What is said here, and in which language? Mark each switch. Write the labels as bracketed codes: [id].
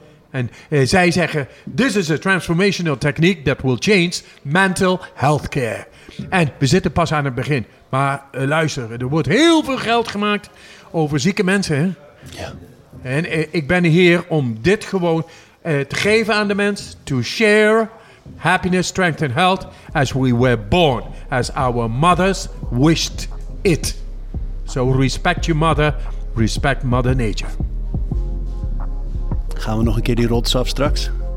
[nl] En zij zeggen, [en] this is a transformational technique that will change mental healthcare. [nl] En we zitten pas aan het begin. Maar luister, er wordt heel veel geld gemaakt over zieke mensen. Ja. En ik ben hier om dit gewoon te geven aan de mens. [en] To share happiness, strength and health as we were born. As our mothers wished it. So respect your mother, respect mother nature. [nl] Gaan we nog een keer die rots af straks?